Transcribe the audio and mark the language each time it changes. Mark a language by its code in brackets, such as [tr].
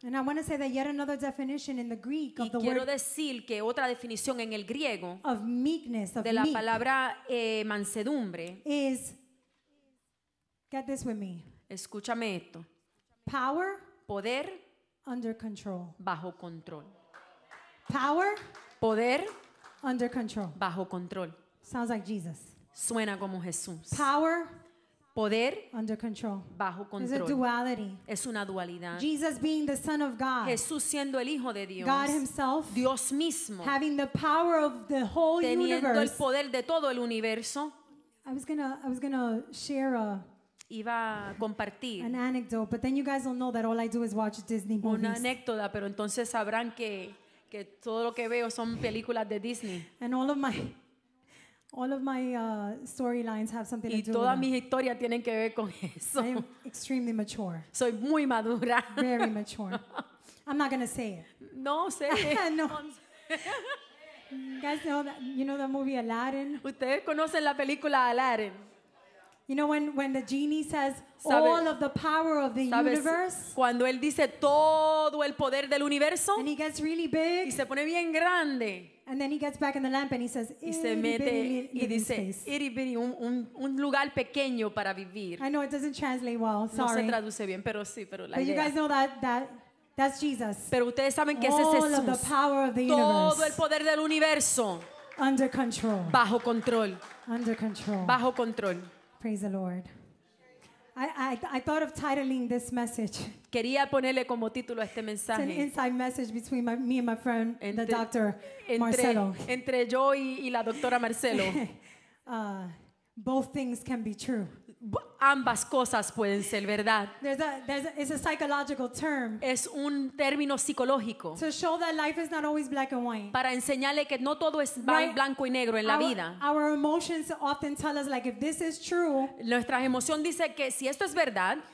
[en] And I want to say that yet another definition in the Greek of the word. [es] Y quiero decir que otra definición en el griego. [en] Of meekness, of [es] meek. De la palabra mansedumbre. [en] Is. Get this with me. [es] Escúchame esto. [en] Power, [es] poder, [en] under control, [es] bajo control. [en] Power, [es] poder, [en] under control, [es] bajo control. [en] Sounds like Jesus. [es] Suena como Jesús. [en] Power, [es] poder, [en] under control, [es] bajo control. [en] It's a duality. [es] Es una dualidad. [en] Jesus being the Son of God. [es] Jesús siendo el Hijo de Dios. [en] God Himself. [es] Dios mismo. [en] Having the power of the whole [es] teniendo [en] universe. [es] Teniendo el poder de todo el universo. [en] I was gonna share a. [es] Iba a compartir [en] an anecdote, but then you guys will know that all I do is watch Disney movies. [es] Una anécdota, pero entonces sabrán que todo lo que veo son películas de Disney. [en] And all of my storylines have something to do with it. [es] Y todas mis historias tienen que ver con eso. [en] I am extremely mature. [es] Soy muy madura. [en] Very mature. I'm not going to say it. [es] No sé. [en] No. Guys, you know that movie Aladdin? [es] ¿Ustedes conocen la película Aladdin? [en] You know when the genie says all of the power of the universe? [es] Cuando él dice todo el poder del universo. [en] And he gets really big. [es] Y se pone bien grande. [en] And then he gets back in the lamp and he says, [es] y se mete y dice, [en] itty bitty, [es] un lugar pequeño para vivir. [en] I know it doesn't translate well. Sorry. [es] No se traduce bien, pero sí, pero la [en] idea. But you guys know that's Jesus. [es] Pero ustedes saben que ese es [en] Jesús. All of the power of the universe. [es] Todo el poder del universo. [en] Under control. [es] Bajo control. [en] Under control. [es] Bajo control. [en] Praise the Lord. I thought of titling this message. [es] Quería ponerle como título a este mensaje. [en] It's an inside message between me and my friend, the doctor Marcelo. [es] Entre yo y la doctora Marcelo. [en] Both things can be true. [es] Ambas cosas pueden ser verdad. [en] It's a psychological term. [es] Es un término psicológico. [en] To show that life is not always black and white. [es] Para enseñarle que no todo es blanco y negro en la vida. [en] Our emotions often tell us like if this is true. [es] Nuestras emociones dicen que si esto es verdad.